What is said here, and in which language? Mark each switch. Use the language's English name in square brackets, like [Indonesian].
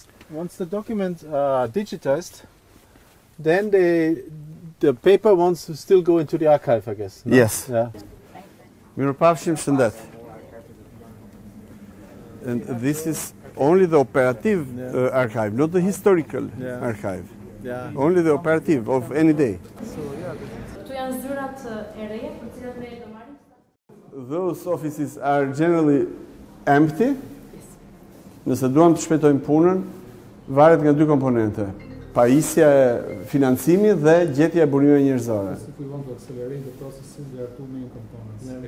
[English] Once the documents are digitized, then the paper wants to still go into the archive, I guess. No? Yes. Yeah. [Albanian] Mirupafshim shëndet. [English] And this is only the operative archive, not the historical archive. Yeah. Only the operative of any day. [Albanian] Këtu janë zyrat e reja për të cilat ne do marrim. [English] Those offices are generally empty. [Albanian] Nëse duam të shpejtojmë punën, varet nga dy komponente. Pajisja e financimit dhe gjetja e burimeve njerëzore. [English] If we want to accelerate the processes, there are two main components.